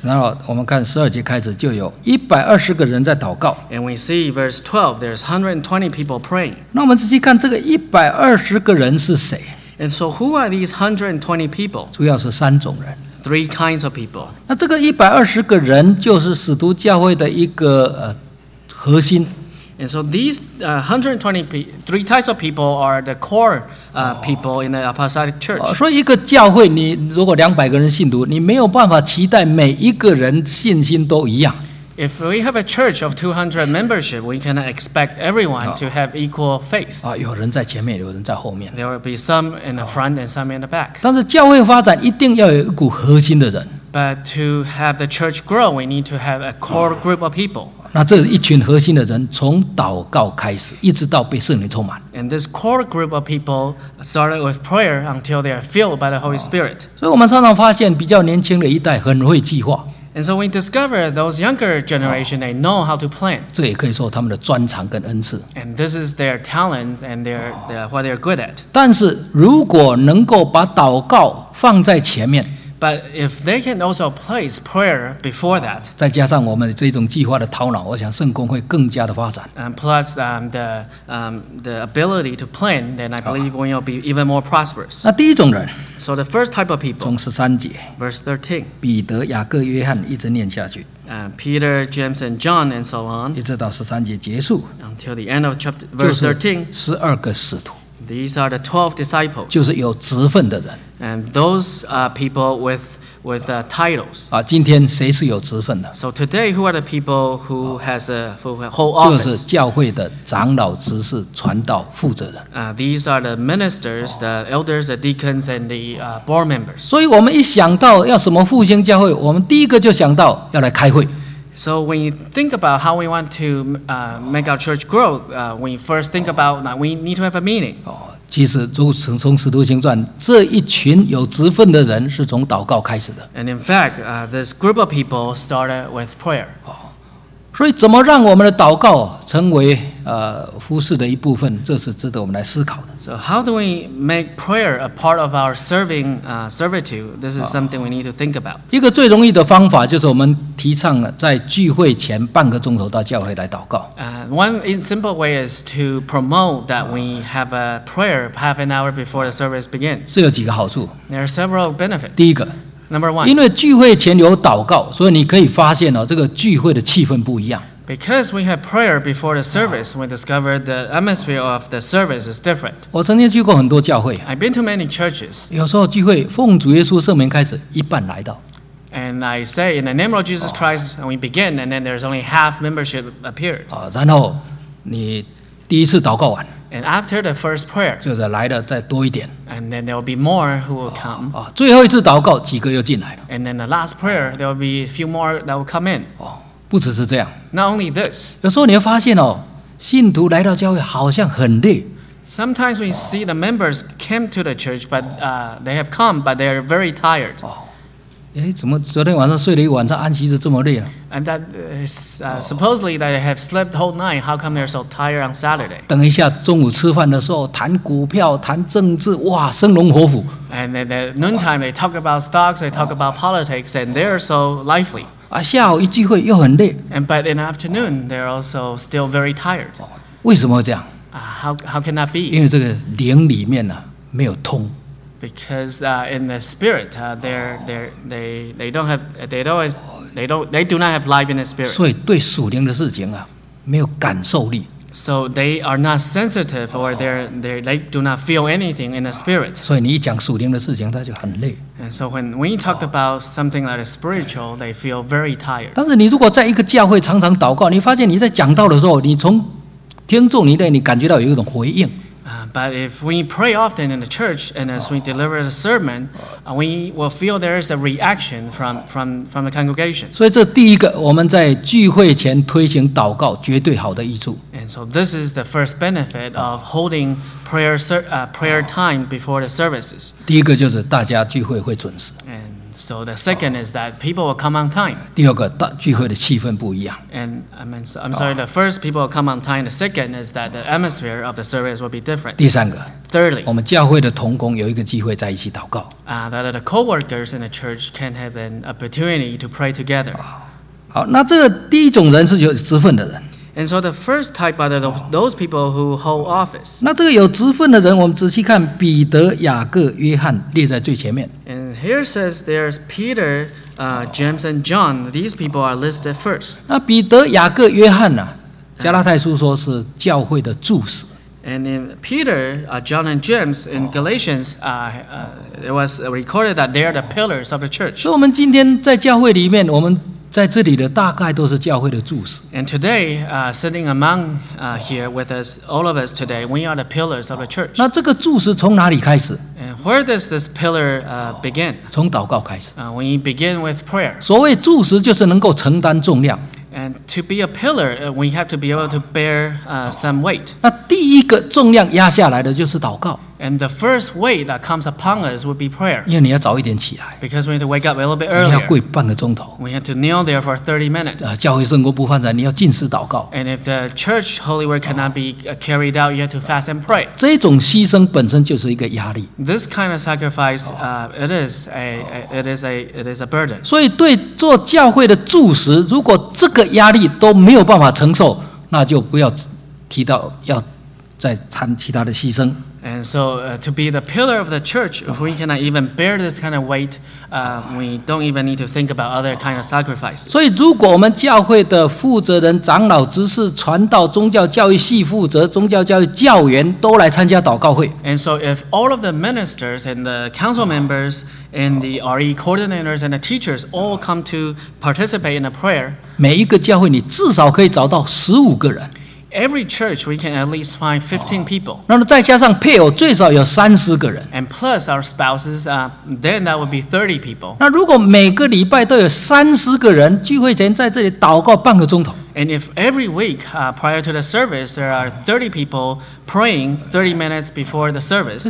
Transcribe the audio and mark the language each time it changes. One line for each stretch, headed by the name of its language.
Chinese: 然后我们看十二节开始就有120个人在祷告。
English: And we see verse 12, there's 120 people praying.
Chinese: 那我们仔细看这个120个人是谁。
English: And so who are these 120 people?
Chinese: 主要是三种人。
English: Three kinds of people.
Chinese: 那这个120个人就是使徒教会的一个核心。
English: And so these 120 three types of people are the core people in the apostolic church.
Chinese: 所以一个教会你如果200个人信徒，你没有办法期待每一个人信心都一样。
English: If we have a church of 200 membership, we cannot expect everyone to have equal faith.
Chinese: 有人在前面，有人在后面。
English: There will be some in the front and some in the back.
Chinese: 但是教会发展一定要有一股核心的人。
English: But to have the church grow, we need to have a core group of people.
Chinese: 那这一群核心的人从祷告开始，一直到被圣灵充满。
English: And this core group of people started with prayer until they are filled by the Holy Spirit.
Chinese: 所以我们常常发现比较年轻的一代很会计划。
English: And so we discover those younger generation, they know how to plan.
Chinese: 这也可以说他们的专长跟恩赐。
English: And this is their talents and their what they're good at.
Chinese: 但是如果能够把祷告放在前面
English: ，But if they can also place prayer before that,
Chinese: 再加上我们这种计划的头脑，我想圣工会更加的发展。
English: And plus the ability to plan, then I believe we will be even more prosperous.
Chinese: 那第一种人。
English: So the first type of people.
Chinese: 从十三节
English: ，verse 13，
Chinese: 彼得、雅各、约翰一直念下去。
English: Peter, James, and John, and so on.
Chinese: 一直到十三节结束。
English: Until the end of chapter verse 13.
Chinese: 十二个使徒。
English: These are the 12 disciples.
Chinese: 就是有职分的人。
English: And those are people with titles.
Chinese: 啊，今天谁是有职分的
English: ？So today, who are the people who has a whole office?
Chinese: 就是教会的长老、执事、传道负责人。
English: These are the ministers, the elders, the deacons, and the board members.
Chinese: 所以我们一想到要什么复兴教会，我们第一个就想到要来开会。
English: So when you think about how we want to make our church grow, when you first think about that, we need to have a meeting.
Chinese: 其实从使徒行传这一群有职分的人是从祷告开始的。
English: And in fact, this group of people started with prayer.
Chinese: 所以怎么让我们的祷告成为服事的一部分，这是值得我们来思考的。
English: So how do we make prayer a part of our serving, servitude? This is something we need to think about.
Chinese: 一个最容易的方法就是我们提倡在聚会前半个钟头到教会来祷告。
English: One simple way is to promote that we have a prayer half an hour before the service begins.
Chinese: 这有几个好处。
English: There are several benefits.
Chinese: 第一个。
English: Number one,
Chinese: 因为聚会前有祷告，所以你可以发现这个聚会的气氛不一样。
English: Because we have prayer before the service, we discovered the atmosphere of the service is different.
Chinese: 我曾经去过很多教会。
English: I've been to many churches.
Chinese: 有时候聚会奉主耶稣圣名开始，一半来到。
English: And I say in the name of Jesus Christ, we begin, and then there's only half membership appeared.
Chinese: 然后你第一次祷告完。
English: And after the first prayer,
Chinese: 就是来的再多一点。
English: And then there will be more who will come.
Chinese: 最后一次祷告，几个又进来了。
English: And then the last prayer, there will be a few more that will come in.
Chinese: 不只是这样。
English: Not only this.
Chinese: 有时候你会发现信徒来到教会好像很累。
English: Sometimes we see the members came to the church, but they have come, but they are very tired.
Chinese: 怎么昨天晚上睡了一晚上，安息日这么累呢？
English: And that is supposedly that they have slept whole night. How come they're so tired on Saturday?
Chinese: 等一下中午吃饭的时候谈股票谈政治，哇，生龙活虎。
English: And at the noontime they talk about stocks, they talk about politics, and they're so lively.
Chinese: 下午一聚会又很累。
English: And but in the afternoon they're also still very tired.
Chinese: 为什么会这样？
English: How can that be?
Chinese: 因为这个灵里面没有通。
English: Because in the spirit, they do not have life in the spirit.
Chinese: 所以对属灵的事情没有感受力。
English: So they are not sensitive, or they do not feel anything in the spirit.
Chinese: 所以你一讲属灵的事情，他就很累。
English: And so when you talk about something like spiritual, they feel very tired.
Chinese: 但是你如果在一个教会常常祷告，你发现你在讲道的时候，你从听众里面你感觉到有一种回应。
English: But if we pray often in the church and as we deliver the sermon, we will feel there is a reaction from the congregation.
Chinese: 所以这第一个我们在聚会前推行祷告绝对好的益处。
English: And so this is the first benefit of holding prayer time before the services.
Chinese: 第一个就是大家聚会会准时。
English: And so the second is that people will come on time.
Chinese: 第二个聚会的气氛不一样。
English: And I'm sorry, the first people will come on time. The second is that the atmosphere of the service will be different.
Chinese: 第三个。
English: Thirdly,
Chinese: 我们教会的同工有一个机会在一起祷告。
English: That the co-workers in the church can have an opportunity to pray together.
Chinese: 好，那这个第一种人是有职分的人。
English: And so the first type are those people who hold office.
Chinese: 那这个有职分的人，我们仔细看彼得、雅各、约翰列在最前面。
English: And here says there's Peter, James and John. These people are listed first.
Chinese: 那彼得、雅各、约翰加拉太书说是教会的柱石。
English: And in Peter, John and James in Galatians, it was recorded that they are the pillars of the church.
Chinese: 所以我们今天在教会里面，我们在这里的大概都是教会的柱石。
English: And today, sitting among here with us, all of us today, we are the pillars of the church.
Chinese: 那这个柱石从哪里开始？
English: And where does this pillar begin?
Chinese: 从祷告开始。
English: We begin with prayer.
Chinese: 所谓柱石就是能够承担重量。
English: And to be a pillar, we have to be able to bear some weight.
Chinese: 那第一个重量压下来的就是祷告。
English: And the first weight that comes upon us would be prayer.
Chinese: 因为你要早一点起来。
English: Because we need to wake up a little bit earlier.
Chinese: 你要跪半个钟头。
English: We have to kneel there for 30 minutes.
Chinese: 教会圣公不犯罪，你要禁食祷告。
English: And if the church holy work cannot be carried out, you have to fast and pray.
Chinese: 这种牺牲本身就是一个压力。
English: This kind of sacrifice, it is a burden.
Chinese: 所以对做教会的柱石，如果这个压力都没有办法承受，那就不要提到要再参其他的牺牲。
English: And so to be the pillar of the church, if we cannot even bear this kind of weight, we don't even need to think about other kind of sacrifices.
Chinese: 所以，如果我们教会的负责人、长老、执事、传道、宗教教育系负责、宗教教育教员都来参加祷告会
English: ，And so if all of the ministers and the council members and the RE coordinators and the teachers all come to participate in a prayer,
Chinese: 每一个教会你至少可以找到15个人。
English: Every church we can at least find 15 people.
Chinese: 然后再加上配偶最少有30个人。
English: And plus our spouses, then that would be 30 people.
Chinese: 那如果每个礼拜都有30个人聚会前在这里祷告半个钟头。
English: And if every week, prior to the service, there are 30 people praying 30 minutes before the service.